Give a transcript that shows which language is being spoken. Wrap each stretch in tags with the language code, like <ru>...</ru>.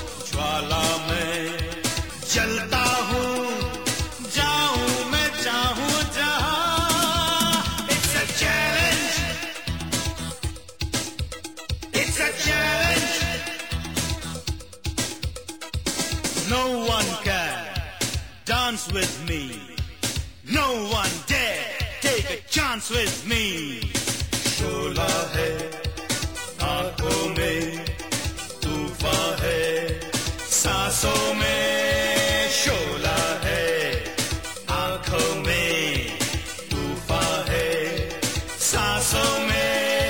<hi>चलता हूँ, जाऊँ मैं चाहूँ जहाँ।</hi> <en>It's a challenge, it's a challenge, no one can dance with me, no one dare take a chance with me।</en> <hi>शोला है आंखों में, तूफान है सांसों में, शोला है आंखों में, तूफान है सांसों में।</hi>